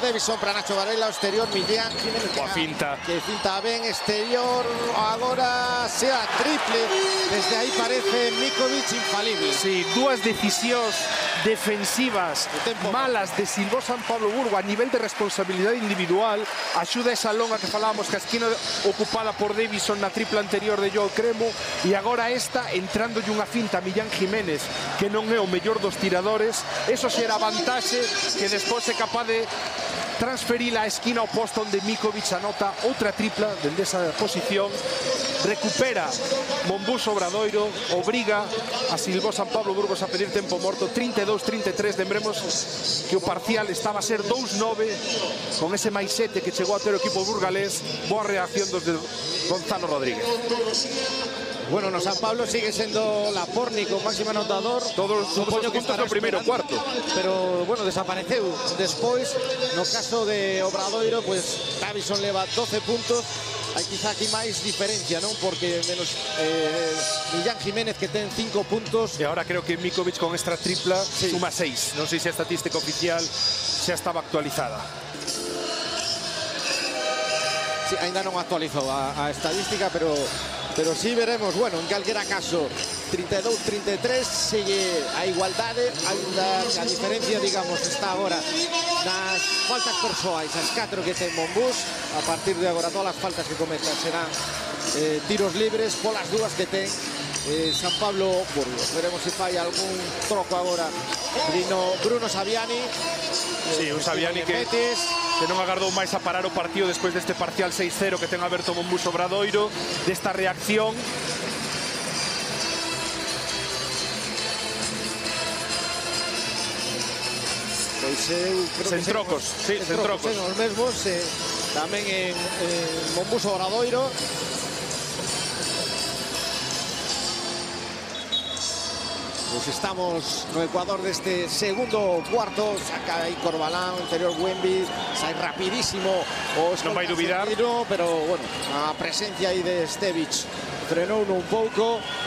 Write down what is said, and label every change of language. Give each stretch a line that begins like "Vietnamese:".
Galician: Davison para Nacho Varela, exterior, Millán Jiménez. Boa finta. Que finta ben, exterior, agora sea triple. Desde aí parece Mikovic infalible. Sí, dúas decisións defensivas malas de Silbó San Pablo Burgo a nivel de responsabilidade individual. Axuda esa longa que falábamos, que a esquina ocupada por Davison na tripla anterior de Joe Cremo. E agora esta, entrándolle unha finta a Millán Jiménez, que non é o mellor dos tiradores. Eso si era vantaxe, que despois é capaz de transferir a esquina oposta onde Mikovic anota outra tripla dende esa posición. Recupera Mombuso Obradoiro, obriga a Silbó San Pablo Burgos a pedir tempo morto. 32-33, lembremos que o parcial estaba a ser 2-9 con ese máis 7 que chegou a ter o equipo burgalés. Boa reacción dos de Gonzalo Rodríguez.
Spanish: Bueno, no San Pablo sigue siendo la Pórnico, máximo anotador. Todos los puntos en primero cuarto. Pero bueno,
Galician: desapareceu.
Spanish: Después, en el caso de Obradoiro, pues Davison le va 12 puntos. Hay quizá aquí más diferencia, ¿no? Porque menos Millán Jiménez, que tiene 5 puntos. Y ahora creo que Mikovic con esta tripla suma 6. No sé si la estadística oficial ya estaba actualizada.
Galician: Sí, ainda no actualizó a estadística, pero sí veremos.
Spanish: Bueno, en cualquier caso, 32-33, sigue a igualdad. La diferencia, digamos, está ahora en las faltas personales, las 4 que tienen Monbus. A partir de ahora, todas las faltas que cometan serán tiros libres por las dudas que tienen San Pablo Burgos. Veremos si falla algún troco ahora. Bruno Saviani. Sí, un Saviani que... Metis.
Galician: Que non agardou máis a parar o partido despois deste parcial 6-0 que ten aberto Monbus Obradoiro, desta reacción. Pois sen trocos, sen trocos. Os mesmos, tamén en Monbus Obradoiro.
Spanish: Pues estamos en el Ecuador de este segundo cuarto. Saca ahí Corbalán, interior Wemby. Sale rapidísimo. No va a dudar. Pero bueno, la presencia ahí de Stevich frenó uno un poco.